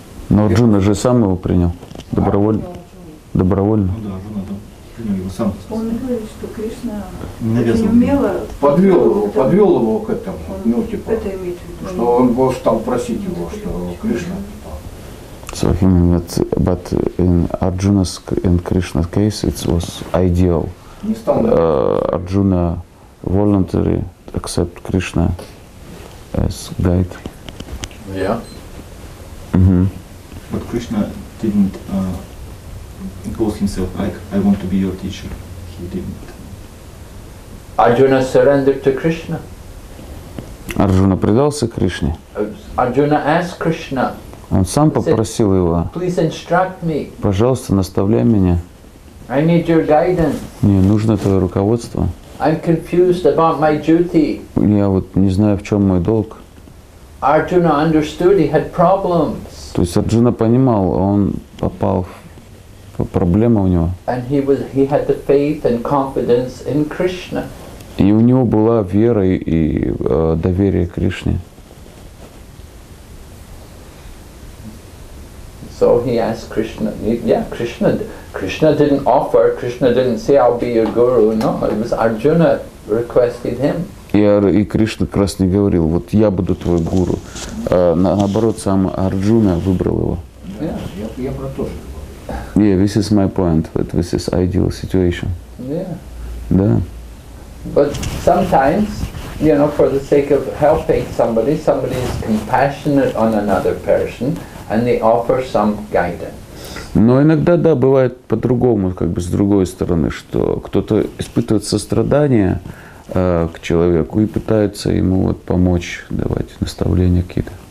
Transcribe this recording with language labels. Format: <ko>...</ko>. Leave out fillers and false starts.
<ru>Но Арджуна же сам его принял, добровольно. Арджуна. Добровольно. Ну да, Арджуна принял его сам. Он говорит, что Кришна навязан. Очень умело... Подвел его к этому, он, ну типа, это имеет в виду, что он его стал просить его, что Кришна...</ru> <en>So him that, but in Arjuna's and Krishna's case, it was ideal. Arjuna voluntarily accept Krishna as guide. Yeah. Mm-hmm. But Krishna didn't impose himself like I want to be your teacher. He didn't. Arjuna surrendered to Krishna.</en> <ru>Arjuna предался Кришне.</ru> <en>Arjuna asked Krishna.</en> <ru>Он сам попросил его, пожалуйста, наставляй меня.</ru> <en>I need your guidance.</en> <ru>Мне нужно твое руководство.</ru> <en>I'm confused about my duty.</en> <ru>Я вот не знаю, в чем мой долг.</ru> <en>Arjuna understood, he had problems.</en> <ru>То есть Арджуна понимал, он попал в проблему у него.</ru> <en>And he had the faith and confidence in Krishna.</en> <ru>И у него была вера и доверие Кришне.</ru> <en>So he asked Krishna, yeah, Krishna didn't offer, Krishna didn't say, I'll be your guru, no, it was Arjuna requested him.</en> <ru>И Кришна как раз не говорил, вот я буду твой гуру. Наоборот, сам Арджуна выбрал его. Я про то же говорю.</ru> <en>Yeah, this is my point, but this is ideal situation. Yeah.</en> <ru>Да.</ru> <en>But sometimes, you know, for the sake of helping somebody, somebody is compassionate on another person, and they offer some guidance.</en> <ru>Но иногда, да, бывает по-другому, как бы с другой стороны, что кто-то испытывает сострадание к человеку и пытается ему вот помочь, давать наставления какие-то.</ru>